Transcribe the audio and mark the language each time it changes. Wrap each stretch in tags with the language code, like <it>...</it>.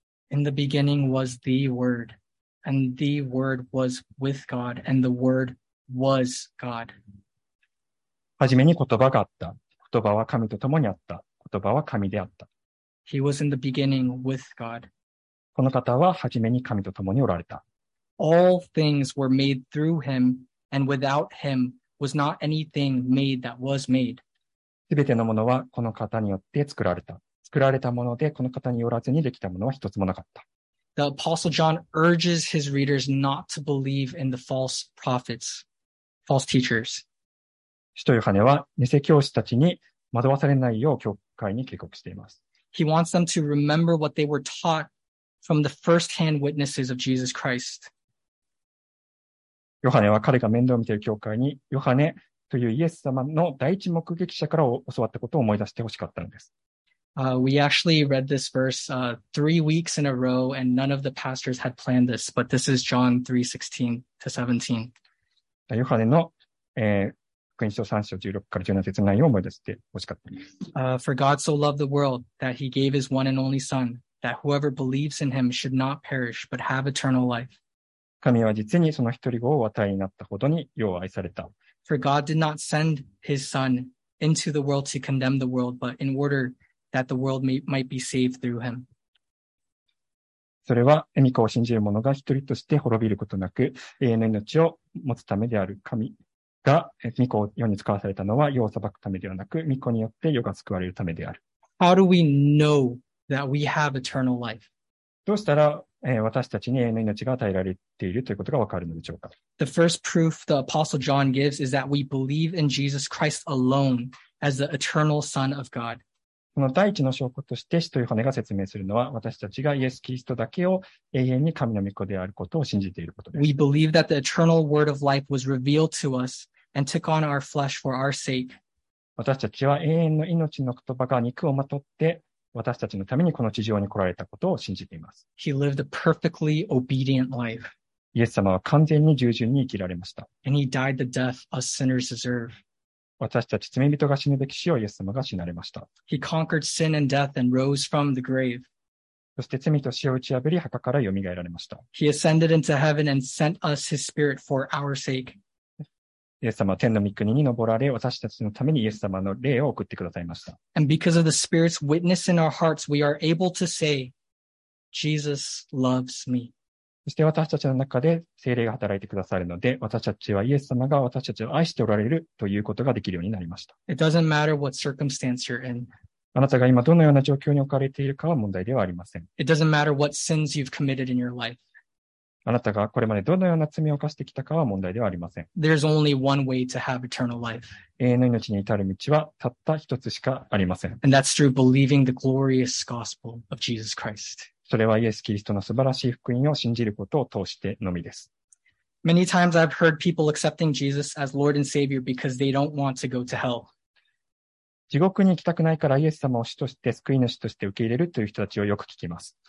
<en>In the beginning was the Word, and the Word was with God, and the Word was God.</en> <ja>はじめに言葉があった。言葉は神と共にあった。言葉は神であった。</ja> <en>He was in the beginning with God.</en> <ja>この方ははじめに神と共におられた。</ja> <en>All things were made through him, and without him was not anything made that was made.</en> <ja>すべてのものはこの方によって作られた。作られたもので、この方によらずにできたものは一つもなかった。</ja> <en>The Apostle John urges his readers not to believe in the false prophets, false teachers.</en> <ja>使徒ヨハネは、偽教師たちに惑わされないよう教会に警告しています。</ja> <en>He wants them to remember what they were taught from the first-hand witnesses of Jesus Christ.</en> <ja>ヨハネは彼が面倒を見ている教会に、ヨハネというイエス様の第一目撃者から教わったことを思い出してほしかったのです。</ja> <en>We actually read this verse, 3 weeks in a row, and none of the pastors had planned this, but this is John 3:16-17.</en> <ja>ヨハネの、福音書3章16から17節の内容を思い出してほしかったです。</ja> <en>For God so loved the world that he gave his one and only son, that whoever believes in him should not perish, but have eternal life.</en> <ja>神は実にその一人子をお与えになったほどによう愛された。</ja> <en>For God did not send his son into the world to condemn the world, but in order that the world might be saved through him.</en> <ja>それは、御子を信じる者が一人として滅びることなく、永遠の命を持つためである。神が御子を世に使わされたのは、世を裁くためではなく、御子によって世が救われるためである。</ja> <en>How do we know that we have eternal life?</en> <ja>どうしたら、私たちに永遠の命が与えられているということがわかるのでしょうか。</ja> <en>The first proof the Apostle John gives is that we believe in Jesus Christ alone as the eternal Son of God.</en> <ja>この第一の証拠として、使徒ヨハネが説明するのは、私たちがイエス・キリストだけを永遠に神の御子であることを信じていることです。</ja> <en>We believe that the eternal word of life was revealed to us and took on our flesh for our sake.</en> <ja>私たちは永遠の命の言葉が肉をまとって、私たちのためにこの地上に来られたことを信じています。</ja> <en>He lived a perfectly obedient life.</en> <ja>イエス様は完全に従順に生きられました。</ja> <en>And he died the death a sinner deserves.</en> <ja>私たち罪人が死ぬべき死をイエス様が死なれました。</ja> <en>He conquered sin and death and rose from the grave.</en> <ja>そして罪と死を打ち破り墓から蘇られました。</ja> <en>He ascended into heaven and sent us his spirit for our sake.</en> <ja>イエス様は天の御国に昇られ、私たちのためにイエス様の霊を送ってくださいました。</ja> <en>And because of the Spirit's witness in our hearts, we are able to say, Jesus loves me.</en> <ja>そして私たちの中で聖霊が働いてくださるので、私たちはイエス様が私たちを愛しておられるということができるようになりました。</ja> <en>It doesn't matter what circumstance you're in.</en> <ja>あなたが今どのような状況に置かれているかは問題ではありません。</ja> <en>It doesn't matter what sins you've committed in your life.</en> <ja>あなたがこれまでどのような罪を犯してきたかは問題ではありません。</ja> <en>There's only one way to have eternal life.</en> <ja>永遠の命に至る道はたった一つしかありません。</ja> <en>And that's through believing the glorious gospel of Jesus Christ.</en> <ja>それはイエス・キリストの素晴らしい福音を信じることを通してのみです。</ja> <en>Many times I've heard people accepting Jesus as Lord and Savior because they don't want to go to hell.</en> <ja>地獄に行きたくないからイエス様を主として救い主として受け入れるという人たちをよく聞きます。</ja>